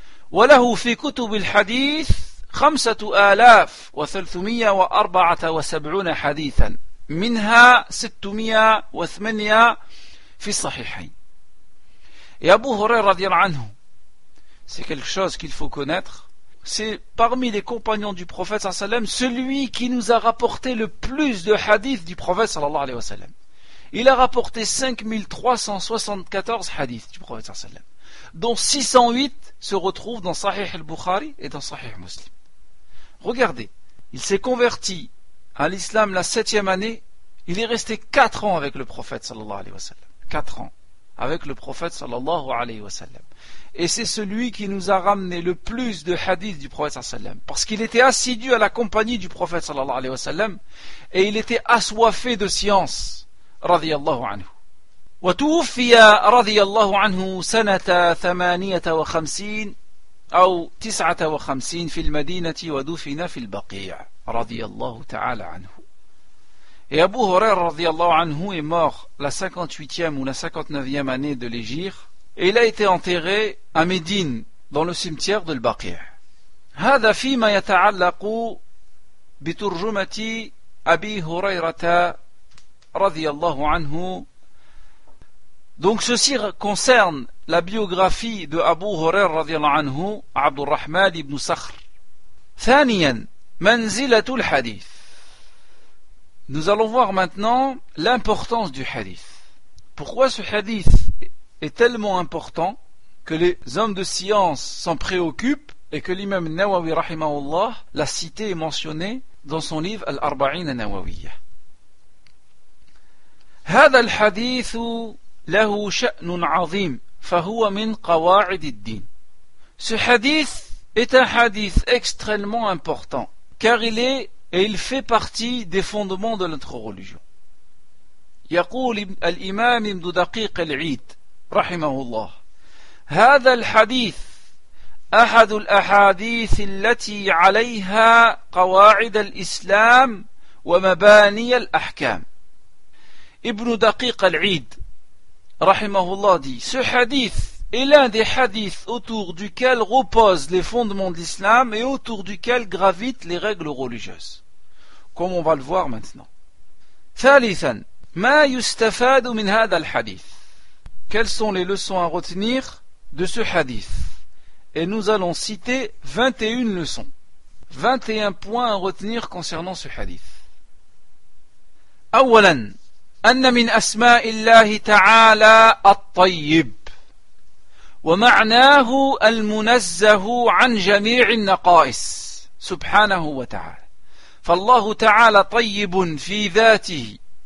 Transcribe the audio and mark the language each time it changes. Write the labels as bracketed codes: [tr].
[ar] وله في كتب الحديث 5374 حديثا منها 608 في الصحيحين. [fr] Et Abu Hurayra [ar] radi Allahu anhu, [fr] c'est quelque chose qu'il faut connaître, c'est parmi les compagnons du prophète [ar] sallallahu alayhi wa sallam, [fr] celui qui nous a rapporté le plus de hadiths du prophète sallallahu alayhi wa sallam. Il a rapporté 5374 hadiths du prophète [ar] sallallahu alayhi wa sallam, [fr] dont 608 se retrouvent dans Sahih al-Bukhari et dans Sahih Muslim. Regardez, il s'est converti à l'islam la 7e année, il est resté 4 ans avec le prophète [ar] sallallahu alayhi wa sallam. [fr] 4 ans avec le prophète [ar] sallallahu alayhi wa sallam. [fr] Et c'est celui qui nous a ramené le plus de hadiths du prophète sallallahu alayhi wa sallam, parce qu'il était assidu à la compagnie du prophète sallallahu alayhi wa sallam et il était assoiffé de science. [ar] رضي الله عنه وتوفي رضي الله عنه سنة 58 أو 59 في المدينة ودفن في البقيع رضي الله تعالى عنه. [fr] Et Abu Hurayra [ar] رضي الله عنه [fr] est mort la 58e ou la 59e année de l'Hégire et il a été enterré à Médine dans le cimetière de البقيع. [ar] هذا فيما يتعلق بترجمة أبي هريرة radiyallahu anhu. [fr] Donc ceci concerne la biographie de Abu Hurayra [ar] radiyallahu anhu, [fr] Abdurrahman ibn Sakhr. [ar] Thaniyan, manzilatul hadith. [fr] Nous allons voir maintenant l'importance du hadith. Pourquoi ce hadith est tellement important que les hommes de science s'en préoccupent et que l'imam Nawawi rahimahullah l'a cité et mentionné dans son livre Al-Arba'in al-Nawawiyyah. [ar] هذا الحديث له شأن عظيم فهو من قواعد الدين. [fr] Ce hadith est un hadith extrêmement important car il est et il fait partie des fondements de notre religion. [ar] يقول الإمام ابن دقيق العيد رحمه الله هذا الحديث أحد الأحاديث التي عليها قواعد الإسلام ومباني الأحكام. [fr] Ibn Daqiq al-Eid, rahimahullah, dit « Ce hadith est l'un des hadiths autour duquel reposent les fondements de l'islam et autour duquel gravitent les règles religieuses. » Comme on va le voir maintenant. « [ar] Thalithan, ma yustafadu min hada al-hadith. [fr] » Quelles sont les leçons à retenir de ce hadith? Et nous allons citer 21 leçons. 21 points à retenir concernant ce hadith. [ar] « Awalan » أن من أسماء الله تعالى الطيب ومعناه المنزه عن جميع النقائص سبحانه وتعالى فالله تعالى طيب في ذاته